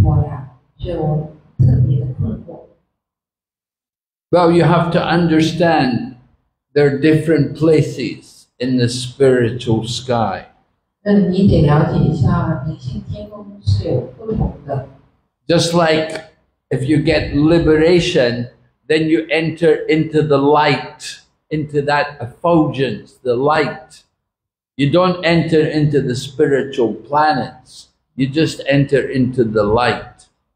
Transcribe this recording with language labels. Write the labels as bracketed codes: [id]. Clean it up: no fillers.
[zh] 我有一个疑惑，就是说，说我们想要回归属神，但是呢，又说不见者不想解脱，因为回归属神其实就是解脱呀，所以我特别的困惑。 [en] Well, you have to understand there are different places in the spiritual sky. [zh] 那你得了解一下，灵性天空是有不同的。 [en] Just like if you get liberation, then you enter into the light, into that effulgence, the light. You don't enter into the spiritual planets, you just enter into the light.